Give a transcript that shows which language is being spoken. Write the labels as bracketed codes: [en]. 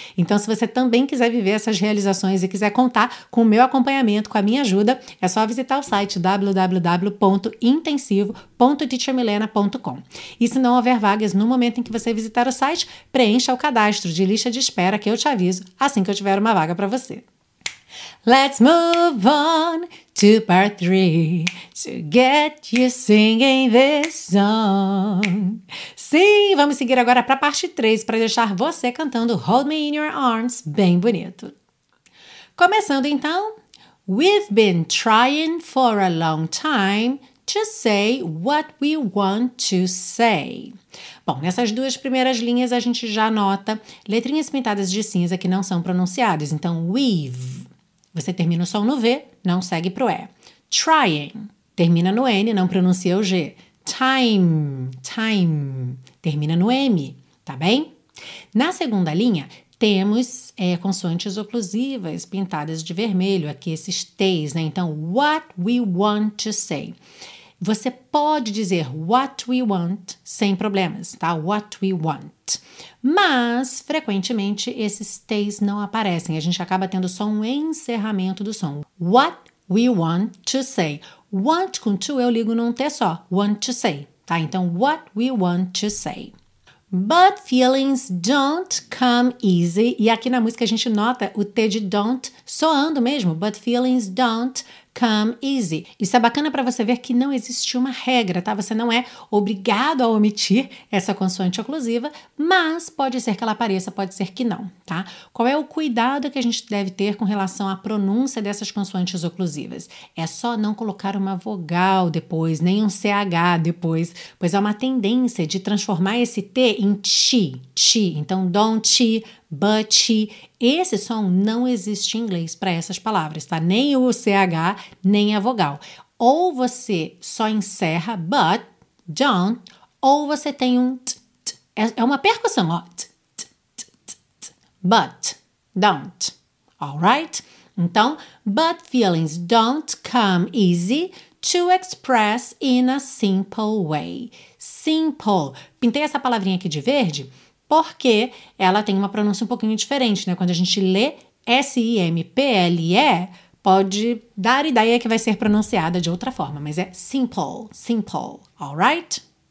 [pt] Então, se você também quiser viver essas realizações e quiser contar com o meu acompanhamento, com a minha ajuda, é só visitar o site www.intensivo.teachermilena.com. E se não houver vagas no momento em que você visitar o site, preencha o cadastro de lista de espera que eu te aviso assim que eu tiver uma vaga para você. [en] Let's move on to part 3 to get you singing this song. [pt] Sim, vamos seguir agora para a parte 3 para deixar você cantando Hold Me In Your Arms bem bonito. Começando então, [en] We've been trying for a long time to say what we want to say. [pt] Bom, nessas duas primeiras linhas a gente já nota letrinhas pintadas de cinza que não são pronunciadas. Então, we've. Você termina o som no V, não segue pro E. Trying. Termina no N, não pronuncia o G. Time. Time. Termina no M, tá bem? Na segunda linha, temos consoantes oclusivas pintadas de vermelho, aqui esses T's, né? [en] Então, what we want to say. [pt] Você pode dizer [en] what we want [pt] sem problemas, tá? [en] What we want. [pt] Mas, frequentemente, esses T's não aparecem. A gente acaba tendo só um encerramento do som. [en] What we want to say. [pt] Want com to eu ligo num T só. [en] Want to say, tá? Então, what we want to say. But feelings don't come easy. [pt] E aqui na música a gente nota o T de don't soando mesmo. [en] But feelings don't come easy. [pt] Isso é bacana para você ver que não existe uma regra, tá? Você não é obrigado a omitir essa consoante oclusiva, mas pode ser que ela apareça, pode ser que não, tá? Qual é o cuidado que a gente deve ter com relação à pronúncia dessas consoantes oclusivas? É só não colocar uma vogal depois, nem um CH depois, pois há uma tendência de transformar esse T em chi, chi. Então, [en] don't chi. But, [pt] esse som não existe em inglês para essas palavras, tá? Nem o CH, nem a vogal. Ou você só encerra but, don't, ou você tem um t, t. É uma percussão, ó. T, t, t, t, t. [en] But, don't. Alright? Então, but feelings don't come easy to express in a simple way. Simple. [pt] Pintei essa palavrinha aqui de verde porque ela tem uma pronúncia um pouquinho diferente, né? Quando a gente lê S-I-M-P-L-E, pode dar ideia que vai ser pronunciada de outra forma, mas é [en] simple, simple, alright?